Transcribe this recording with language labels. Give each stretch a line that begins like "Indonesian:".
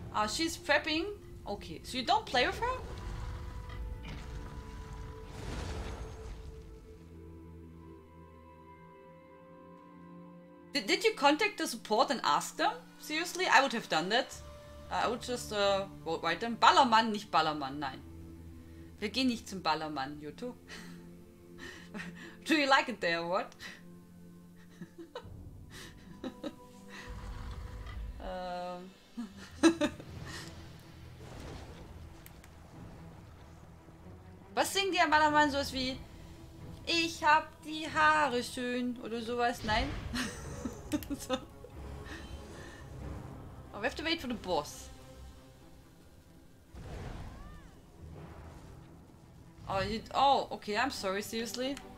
English: She's prepping. Okay, so you don't play with her? Did you contact the support and ask them? Seriously, I would have done that. I would just write them.
German: Ballermann, nicht Ballermann, nein. Wir gehen nicht zum Ballermann,
English: you two. Do you like it there, what?
German: Was singen die am Ballermann? Sowas wie, ich hab die Haare schön oder sowas, nein?
English: Oh, we have to wait for the boss. Okay, I'm sorry, seriously.